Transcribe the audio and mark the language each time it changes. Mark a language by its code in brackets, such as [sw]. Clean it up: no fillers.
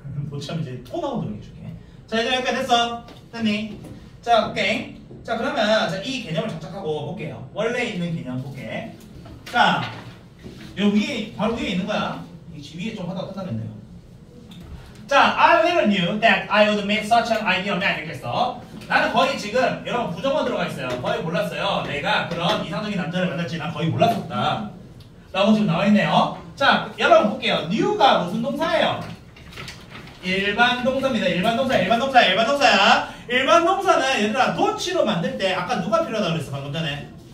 [ko] 도치하면 이제 토 나오도록 해줄게. 자 이제 여기까지 됐어 됐니? 자 오케이. 자 그러면 자, 이 개념을 접착하고 볼게요. 원래 있는 개념 볼게. 자 여기 바로 위에 있는 거야. 이 위에 좀 하다가 끝나겠네요. [en] 자 I little knew that I would meet such an ideal man [ko] 이렇게 써. 나는 거의 지금 여러분 부정어 들어가 있어요. 거의 몰랐어요. 내가 그런 이상적인 남자를 만날지 난 거의 몰랐었다 라고 지금 나와있네요. 자 여러분 볼게요. new가 무슨 동사예요? 일반 동사입니다. 일반 동사야. 일반 동사는 얘들아 도치로 만들 때 아까 누가 필요하다고 그랬어 방금 전에.